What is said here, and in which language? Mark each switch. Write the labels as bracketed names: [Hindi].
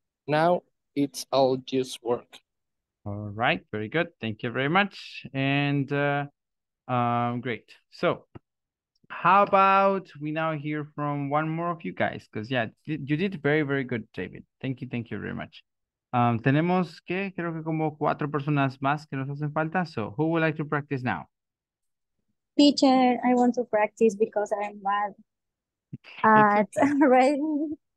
[English] Now it's all just work. All right, very good. Thank you very much. And great. So how about we now hear from one more of you guys? Because yeah, you did very, very good, David. Thank you very much. [Spanish] Tenemos que, creo que como cuatro personas más que nos hacen falta. [English] So who would like to practice now? Teacher, I want to practice because I'm bad at writing.